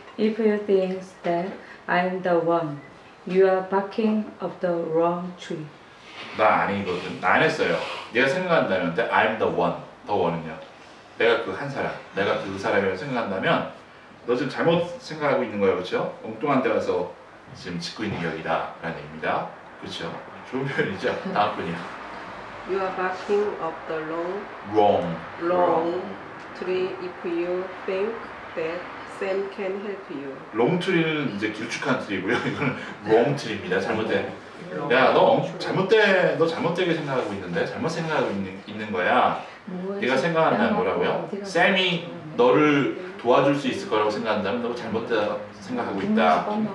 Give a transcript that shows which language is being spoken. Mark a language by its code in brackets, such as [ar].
[en] If you think that I'm the one, you are barking up the wrong tree. [ko] 나 아니거든. 나 안 했어요. 내가 생각한다면, [en] I'm the one. [ko] The one은요. 내가 그 한 사람, 내가 그 사람이라고 생각한다면 너 지금 잘못 생각하고 있는 거예요. 그렇죠? 엉뚱한 데 와서 지금 짓고 있는 여기다 라는 얘기입니다. 그렇죠? 좋은 표현이죠? 다음 분이요. [en] You are barking up the wrong, wrong tree if you think that Sam can help you. [ko] 롱트리는 이제 길쭉한 트리고요. 이거는 롱트리입니다. 잘못된. 야, 너 잘못된, 너 잘못되게 생각하고 있는데? 잘못 생각하고 있는 거야. 네가 생각한다면 뭐라고요? 샘이 너를 도와줄 수 있을 거라고 생각한다면 너 잘못된 생각하고 있다.